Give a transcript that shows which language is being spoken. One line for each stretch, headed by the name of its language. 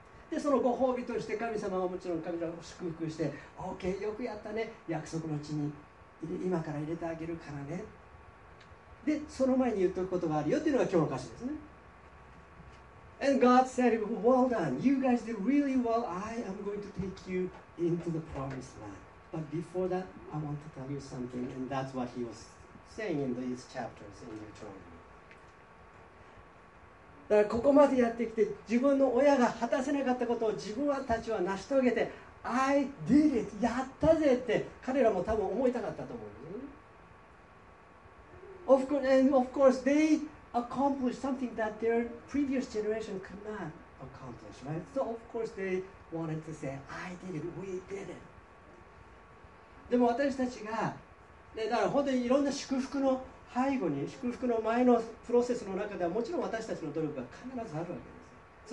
Japanese: で、そのご褒美として神様はもちろん神様を祝福して、OK、よくやったね、約束の地に今から入れてあげるからね。で、その前に言っておくことがあるよっていうのが今日の歌詞ですね。
English: And God said, well done, you guys did really well, I am going to take you into the promised land. But before that, I want to tell you something, and that's what he was saying in these chapters in Deuteronomy.
Japanese: だからここまでやってきて自分の親が果たせなかったことを自分たちは成し遂げて
English: I did it!
Japanese: やったぜって彼らも多分思いたかったと思う、ね、
English: of course, And of course they accomplished something that their previous generation could not accomplish, right? So of course they wanted to say I did it! We did it!
Japanese: でも私たちが、ね、だから本当にいろんな祝福の背後に祝福の前のプロセスの中ではもちろん私たちの努力が必ずあるわけです。